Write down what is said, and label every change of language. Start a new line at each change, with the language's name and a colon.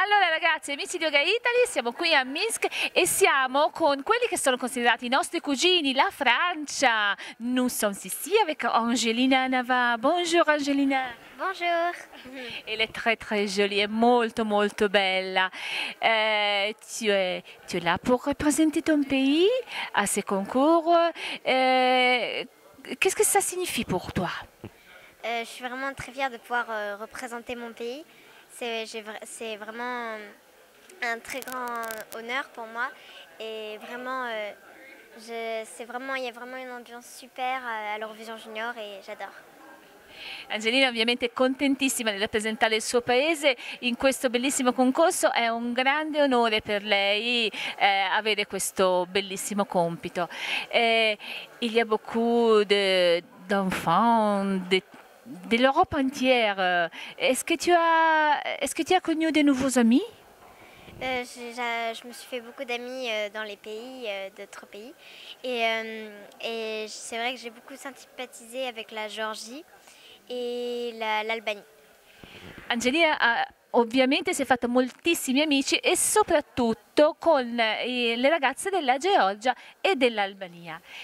Italian: ragazzi, amici di Yoga Italy, siamo qui a Minsk e siamo con quelli che sono considerati i nostri cugini, la Francia.
French: Nous sommes ici avec Angelina Nava. Bonjour Angelina. Bonjour. Elle est très très jolie,
Italian: è molto molto bella.
French: Tu es là pour représenter ton pays à ce concours. Qu'est-ce que ça signifie pour toi? Je suis vraiment très fière de pouvoir représenter mon pays. C'est vraiment un très grand honneur pour moi et vraiment il y a vraiment une ambiance super à l'Eurovision Junior et j'adore.
Italian: Angelina ovviamente è contentissima di rappresentare il suo paese in questo bellissimo concorso, è un grande onore per lei avere questo bellissimo compito.
French: Il y a beaucoup d'enfants de l'Europe entière. Est-ce que tu as connu de nouveaux amis? Je me suis fait beaucoup d'amis dans les pays, d'autres pays. Et c'est vrai que j'ai beaucoup sympathisé avec la Géorgie et l'Albanie.
Italian: Angelina ovviamente si è fatta moltissimi amici e soprattutto con le ragazze della Georgia e dell'Albania.